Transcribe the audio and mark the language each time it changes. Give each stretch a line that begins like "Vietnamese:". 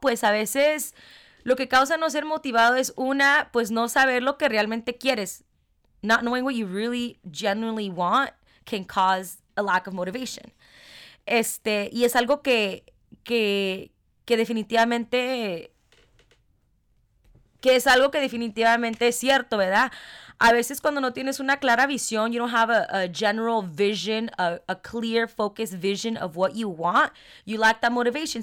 Spanish: Pues a veces lo que causa no ser motivado es una, pues no saber lo que realmente quieres.
English: Not knowing what you really genuinely want can cause a lack of motivation.
Spanish: Y es algo que definitivamente, que es algo que definitivamente es cierto, ¿verdad? A veces cuando no tienes una clara visión,
English: you don't have a general vision, a clear focused vision of what you want, you lack that motivation.